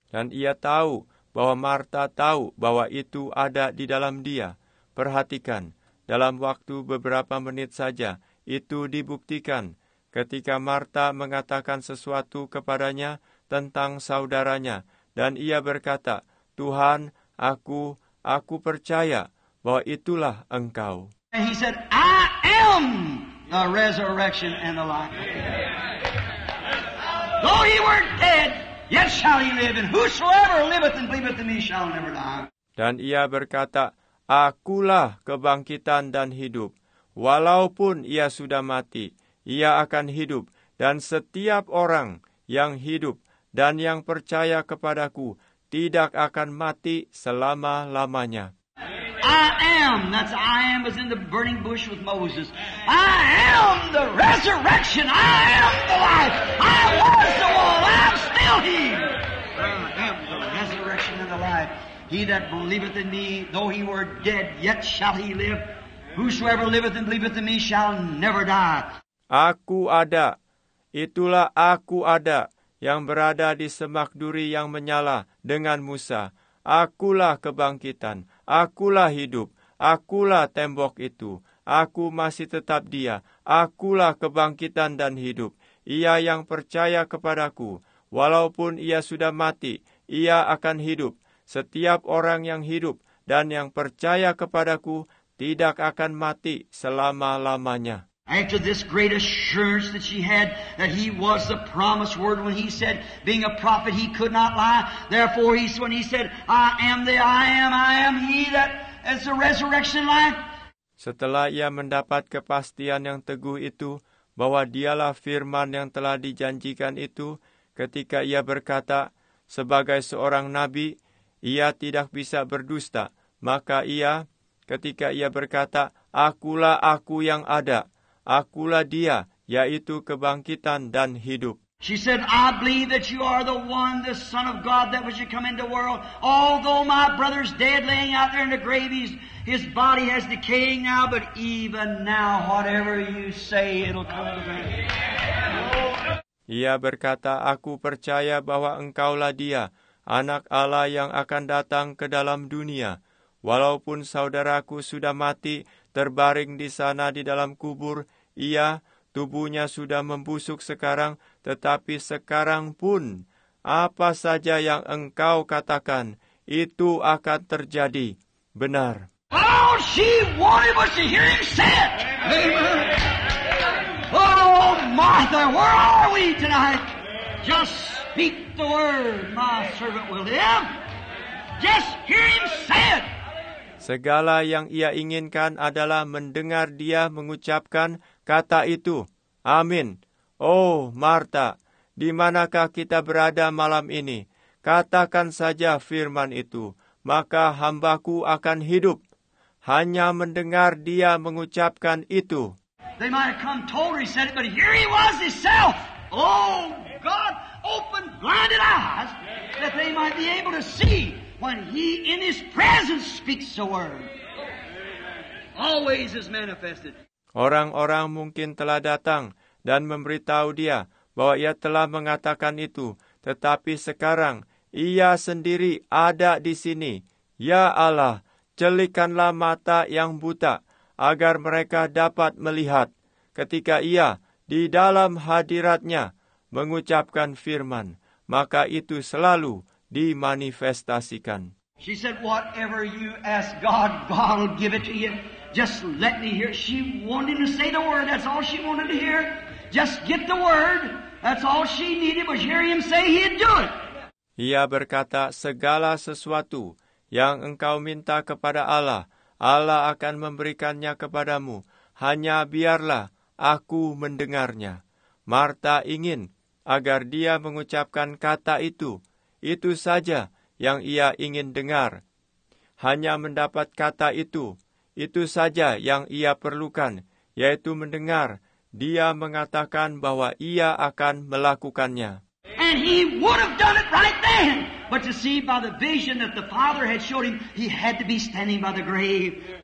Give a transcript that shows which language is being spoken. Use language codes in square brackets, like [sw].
[id] Dan ia tahu bahwa Martha tahu bahwa itu ada di dalam dia. Perhatikan, dalam waktu beberapa menit saja, itu dibuktikan. Ketika Martha mengatakan sesuatu kepadanya tentang saudaranya, dan ia berkata, Tuhan, aku percaya bahwa itulah Engkau. [en] And he said, I am the resurrection and the life. Though he were dead, yet shall he live, and whosoever liveth and believeth in me shall never die. [id] Dan ia berkata, akulah kebangkitan dan hidup, walaupun ia sudah mati. Ia akan hidup, dan setiap orang yang hidup dan yang percaya kepadaku tidak akan mati selama-lamanya. [en] I am, that's I am as in the burning bush with Moses. I am the resurrection, I am the life, I was the one, I am still he. I am the resurrection and the life. He that believeth in me, though he were dead, yet shall he live. Whosoever liveth and believeth in me shall never die. [id] Aku ada, itulah aku ada, yang berada di semak duri yang menyala dengan Musa. Akulah kebangkitan, akulah hidup, akulah tembok itu. Aku masih tetap dia, akulah kebangkitan dan hidup. Ia yang percaya kepadaku, walaupun ia sudah mati, ia akan hidup. Setiap orang yang hidup dan yang percaya kepadaku tidak akan mati selama-lamanya. [en] After this great assurance that she had that he was the promised word, when he said, being a prophet, he could not lie. Therefore, when he said, I am he that is the resurrection life. [id] Setelah ia mendapat kepastian yang teguh itu, bahwa dialah firman yang telah dijanjikan itu, ketika ia berkata, sebagai seorang nabi, ia tidak bisa berdusta. Maka ia, ketika ia berkata, akulah aku yang ada. Akulah dia, yaitu kebangkitan dan hidup. [en] She said, I believe that you are the one, the Son of God, that was to come into the world. Although my brother's dead, laying out there in the grave, his body has decaying now, but even now, whatever you say, it'll come to pass. [id] Ia berkata, aku percaya bahwa engkaulah dia, anak Allah yang akan datang ke dalam dunia. Walaupun saudaraku sudah mati, terbaring di sana di dalam kubur, ia tubuhnya sudah membusuk sekarang, tetapi sekarang pun, apa saja yang engkau katakan, itu akan terjadi. Benar. [en] All she wanted was to hear him say it. Amen. Oh, Martha, where are we tonight? Just speak the word, my servant will live. Just hear him say it. [id] Segala yang ia inginkan adalah mendengar dia mengucapkan kata itu. Amin. Oh, Martha, di manakah kita berada malam ini? Katakan saja firman itu, maka hambaku akan hidup. Hanya mendengar dia mengucapkan itu. [en] They might have come told he said it, but here he was himself. Oh, God, open blinded eyes that they might be able to see. When he in his presence speaks the word, always is manifested. [id] Orang-orang mungkin telah datang dan memberitahu dia bahwa ia telah mengatakan itu, tetapi sekarang ia sendiri ada di sini. Ya Allah, celikanlah mata yang buta agar mereka dapat melihat ketika ia di dalam hadiratnya mengucapkan firman, maka itu selalu dimanifestasikan. [en] She said, whatever you ask God, God will give it to you. Just let me hear. She wanted to say the word. That's all she wanted to hear. Just get the word. That's all she needed was hear him say he'd do it. [id] Ia berkata, segala sesuatu yang engkau minta kepada Allah, Allah akan memberikannya kepadamu. Hanya biarlah aku mendengarnya. Martha ingin agar dia mengucapkan kata itu. Itu saja yang ia ingin dengar. Hanya mendapat kata itu. Itu saja yang ia perlukan, yaitu mendengar dia mengatakan bahwa ia akan melakukannya. [en] And he would have done it right then. But to see by the vision that the Father had showed him, he had to be standing by the grave.